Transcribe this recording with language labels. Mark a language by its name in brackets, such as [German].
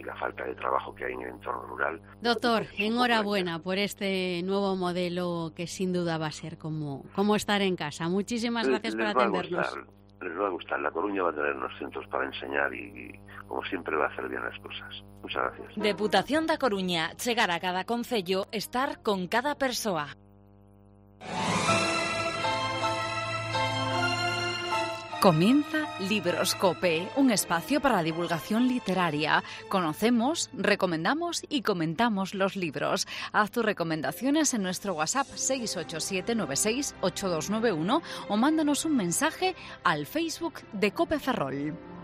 [Spanish] Y la falta de trabajo que hay en el entorno rural. Doctor, enhorabuena por este nuevo modelo que sin duda va a ser como estar en casa. Muchísimas gracias por atendernos. Les va a gustar. La Coruña va a tener unos centros para enseñar y como siempre, va a hacer bien las cosas. Muchas gracias. [Galician] Deputación da Coruña, chegar a cada concello, estar con cada persoa. [Spanish] Comienza Libroscope, un espacio para divulgación literaria. Conocemos, recomendamos y comentamos los libros. Haz tus recomendaciones en nuestro WhatsApp 687-96-8291 o mándanos un mensaje al Facebook de Cope Ferrol.